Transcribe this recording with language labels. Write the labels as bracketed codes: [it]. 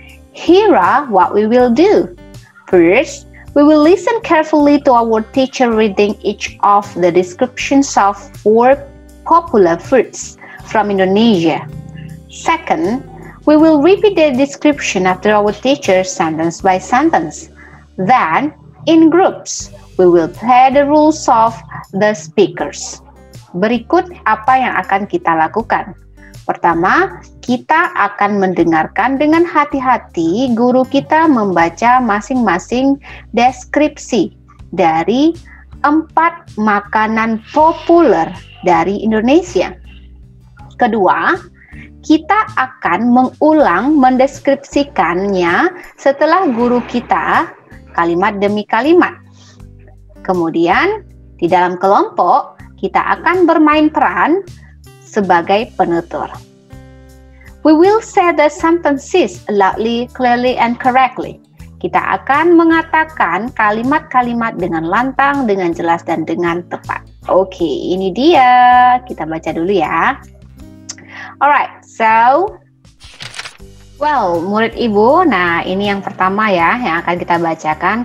[en] Here are what we will do. First, we will listen carefully to our teacher reading each of the descriptions of four popular foods from Indonesia. Second, we will repeat the description after our teacher sentence by sentence. Then, in groups, we will play the roles of the speakers. [id] Berikut apa yang akan kita lakukan. Pertama, kita akan mendengarkan dengan hati-hati guru kita membaca masing-masing deskripsi dari empat makanan populer dari Indonesia. Kedua, kita akan mengulang mendeskripsikannya setelah guru kita kalimat demi kalimat. Kemudian, di dalam kelompok, kita akan bermain peran sebagai penutur. [en] We will say the sentences loudly, clearly, and correctly. [id] Kita akan mengatakan kalimat-kalimat dengan lantang, dengan jelas, dan dengan tepat. Oke, ini dia. Kita baca dulu ya. [en] Alright, so, well, [id] murid ibu, nah ini yang pertama ya, yang akan kita bacakan.